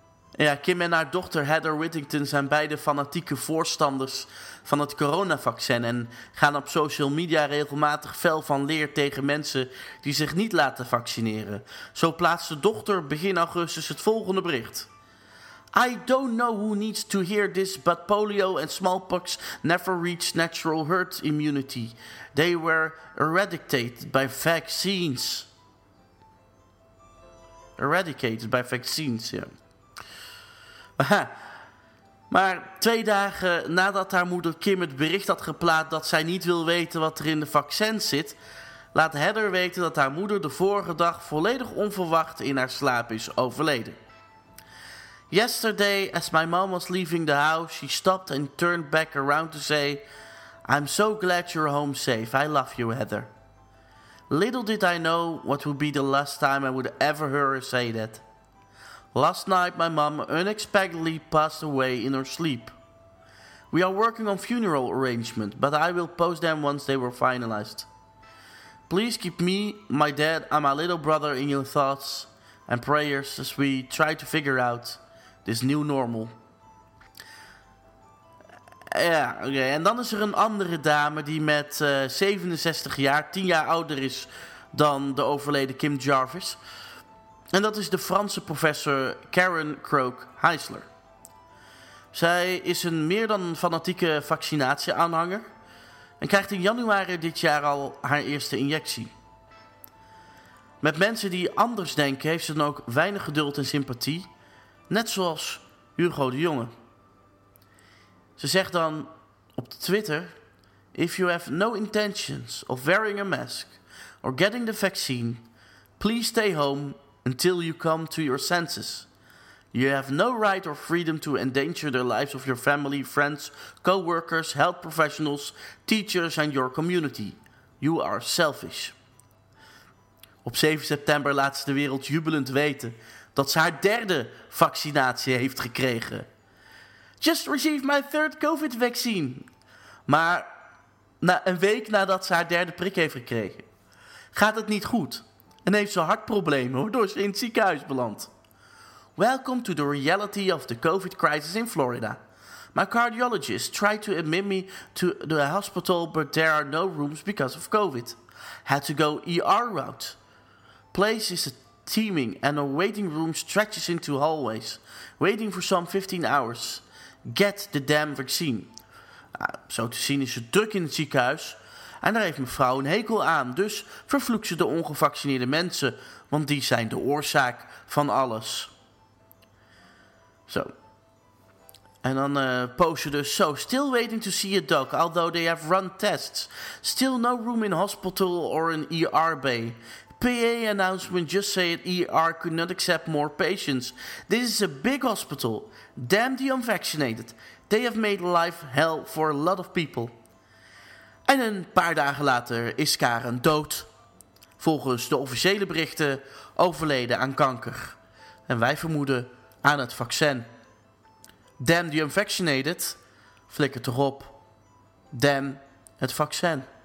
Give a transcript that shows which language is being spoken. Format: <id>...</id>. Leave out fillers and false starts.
<nl>Ja, Kim en haar dochter Heather Whittington zijn beide fanatieke voorstanders van het coronavaccin en gaan op social media regelmatig fel van leer tegen mensen die zich niet laten vaccineren. Zo plaatst de dochter begin augustus het volgende bericht.</nl> <en>I don't know who needs to hear this, but polio and smallpox never reached natural herd immunity. They were eradicated by vaccines. Eradicated by vaccines,</en> <nl>ja. Maar twee dagen nadat haar moeder Kim het bericht had geplaatst dat zij niet wil weten wat er in de vaccin zit, laat Heather weten dat haar moeder de vorige dag volledig onverwacht in haar slaap is overleden.</nl> <en>Yesterday, as my mom was leaving the house, she stopped and turned back around to say, I'm so glad you're home safe. I love you, Heather. Little did I know what would be the last time I would ever hear her say that. Last night, my mom unexpectedly passed away in her sleep. We are working on funeral arrangements, but I will post them once they were finalized. Please keep me, my dad, and my little brother in your thoughts and prayers as we try to figure out this new normal.</en> <nl>Ja, oké. En dan is er een andere dame die met 67 jaar, 10 jaar ouder is dan de overleden Kim Jarvis. En dat is de Franse professor Karen Croke Heisler. Zij is een meer dan fanatieke vaccinatieaanhanger en krijgt in januari dit jaar al haar eerste injectie. Met mensen die anders denken heeft ze dan ook weinig geduld en sympathie, net zoals Hugo de Jonge. Ze zegt dan op Twitter,</nl> <en>if you have no intentions of wearing a mask or getting the vaccine, please stay home. Until you come to your senses. You have no right or freedom to endanger the lives of your family, friends, co-workers, health professionals, teachers and your community. You are selfish.</en> <nl>Op 7 september laat ze de wereld jubelend weten dat ze haar derde vaccinatie heeft gekregen.</nl> <en>Just received my third COVID vaccine.</en> <nl>Maar na een week nadat ze haar derde prik heeft gekregen, gaat het niet goed. En heeft ze hartproblemen, waardoor ze in het ziekenhuis belandt.</nl> <en>Welcome to the reality of the COVID crisis in Florida. My cardiologist tried to admit me to the hospital, but there are no rooms because of COVID. Had to go ER route. Place is teeming and a waiting room stretches into hallways. Waiting for some 15 hours. Get the damn vaccine.</en> <nl>Zo te zien is ze druk in het ziekenhuis. En daar heeft mevrouw een hekel aan, dus vervloekt ze de ongevaccineerde mensen, want die zijn de oorzaak van alles. Zo. En dan post je dus zo.</nl> <en>Still waiting to see a doc, although they have run tests. Still no room in hospital or an ER bay. PA announcement just say an ER could not accept more patients. This is a big hospital. Damn the unvaccinated. They have made life hell for a lot of people.</en> <nl>En een paar dagen later is Karen dood. Volgens de officiële berichten overleden aan kanker. En wij vermoeden aan het vaccin.</nl> <en>Damn the unvaccinated.</en> <nl>Flikker toch op.</nl> <en>Damn</en> <nl>het vaccin.</nl>